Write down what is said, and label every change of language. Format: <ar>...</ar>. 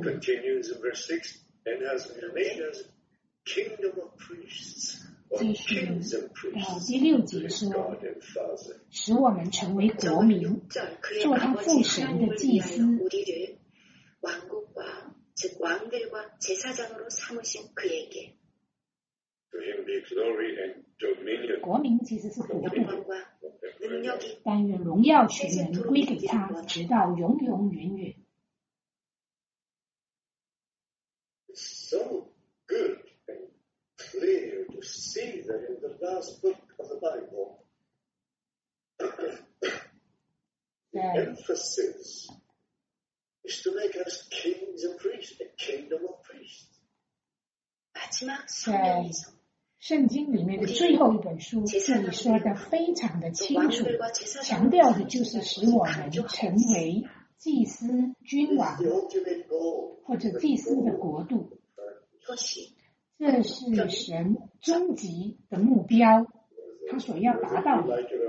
<en>Continues in verse 6 and has made us kingdom of priests or kings and priests.</en> <zh>第六节说，使我们成为国民，做他父神的祭司。</zh> <ko>우리를왕국과즉왕들과제사장으로삼으신그에게</ko> <en>To him be glory and dominion.</en> <zh>国民其实是国度，但愿荣耀权能归给他，直到永永远远。</zh> <en>So good and clear to see that in the last book of the Bible, the emphasis is to make us kings and priests, a kingdom of priests.</en> <ko>마지막성경에서</ko> <zh>圣经里面的最后一本书，这里说的非常的清楚，强调的就是使我们成为祭司、君王或者祭司的国度，这是神终极的目标，他所要达到的。</zh>